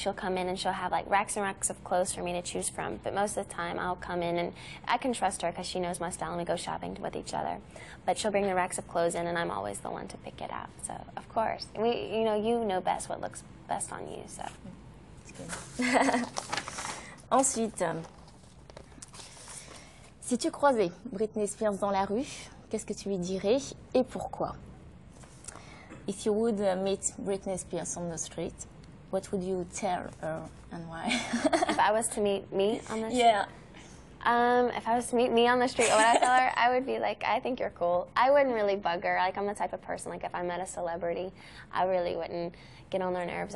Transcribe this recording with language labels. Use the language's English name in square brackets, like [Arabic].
[English] She'll come in and she'll have like racks and racks of clothes for me to choose from. But most of the time, I'll come in and I can trust her because she knows my style and we go shopping with each other. But she'll bring the racks of clothes in and I'm always the one to pick it out. So, of course, you know best what looks best on you. So. [French] Ensuite, si tu croisais Britney Spears dans la rue, qu'est-ce que tu lui dirais et pourquoi? [English] If you would meet Britney Spears on the street, what would you tell her and why? If I was to meet me on the street? Yeah. If I was to meet me on the street, what I tell her, I would be like, I think you're cool. I wouldn't really bug her. Like, I'm the type of person, like, if I met a celebrity, I really wouldn't get on their nerves.